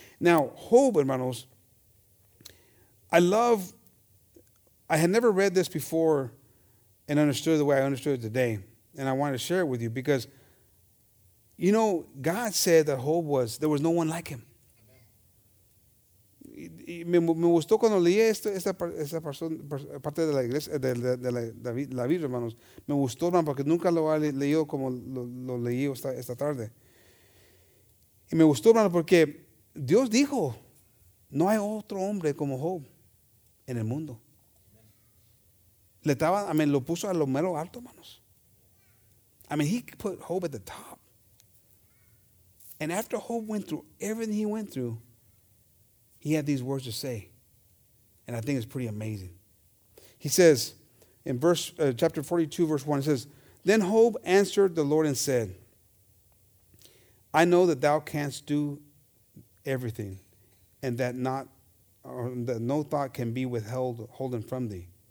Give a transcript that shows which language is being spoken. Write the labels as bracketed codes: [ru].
[en] Now, Job, hermanos, I had never read this before and understood the way I understood it today, and I wanted to share it with you because, you know, God said that Job was, there was no one like him. [es] Me gustó cuando leí esta parte de la iglesia, de la Biblia, hermanos. Me gustó, hermano, porque nunca lo había leído como lo leí esta tarde. Y me gustó, hermano, porque Dios dijo, no hay otro hombre como Job en el mundo. Le estaba, lo puso a lo mero alto, hermanos. [en] He put Job at the top. And after Job went through everything he went through, he had these words to say. And I think it's pretty amazing. He says in chapter 42, verse 1, it says, then Job answered the Lord and said, I know that thou canst do everything, and that no thought can be withheld, holden from thee.